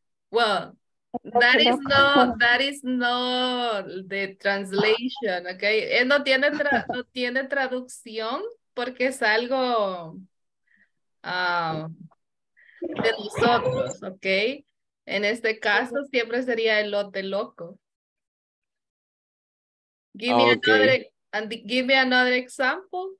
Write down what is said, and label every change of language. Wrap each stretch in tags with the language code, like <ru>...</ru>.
<en>Well, that is not, that is not the translation, okay?</en> <es>No tiene no tiene traducción porque es algo de nosotros, okay? En este caso siempre sería el lote loco.</es> <en>Give me another and give me another example.</en>